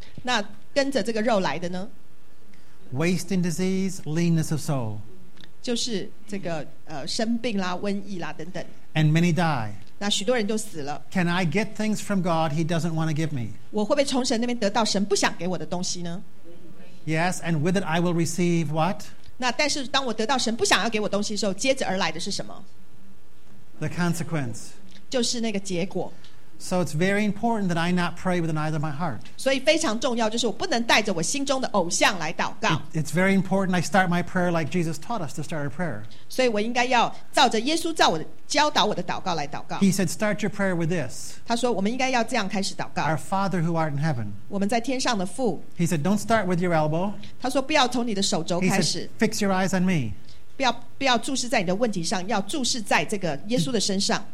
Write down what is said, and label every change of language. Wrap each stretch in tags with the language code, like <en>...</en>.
<zh>那跟着这个肉来的呢?</zh> <en>Wasting disease, leanness of soul.</en> <zh>就是这个生病啦、瘟疫啦等等。</zh> <en>And many die.</en> <zh>那许多人就死了。</zh> <en>Can I get things from God he doesn't want to give me?</en> <zh>我会不会从神那边得到神不想给我的东西呢?</zh> <en>Yes, and with it I will receive what?</en> <zh>那但是当我得到神不想要给我东西的时候，接着而来的是什么?</zh> <en>The consequence.</en> <zh>就是那个结果。</zh> <en>So it's very important that I not pray with an idol in my heart.</en> <zh>所以非常重要，就是我不能带着我心中的偶像来祷告。</zh> <en>It's very important I start my prayer like Jesus taught us to start our prayer.</en> <zh>所以我应该要照着耶稣教导我的祷告来祷告。</zh> <en>He said, start your prayer with this.</en> <zh>他说我们应该要这样开始祷告。</zh> <en>Our Father who art in heaven.</en> <zh>我们在天上的父。</zh> <en>He said, don't start with your elbow.</en> <zh>他说不要从你的手肘开始。</zh> <en>He said, fix your eyes on me.</en> <zh>不要注视在你的问题上，要注视在这个耶稣的身上。</zh>